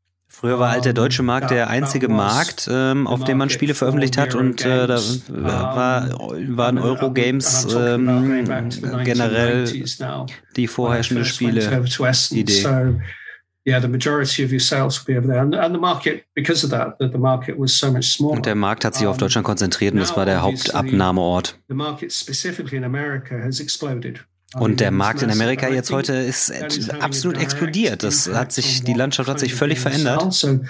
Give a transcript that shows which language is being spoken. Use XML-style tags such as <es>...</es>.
<de>Früher war halt der deutsche Markt der einzige Markt, auf dem man Spiele veröffentlicht hat und da waren Eurogames generell die vorherrschende Spiele-Idee.</de> <en>Yeah, the majority of your sales will be over there. And the market, because of that, the market was so much smaller.</en> <de>Und der Markt hat sich auf Deutschland konzentriert und das war der Hauptabnahmeort.</de> <en>The market specifically in America has exploded.</en> <de>Und der Markt in Amerika jetzt heute ist absolut explodiert. Das hat sich, die Landschaft hat sich völlig verändert.</de>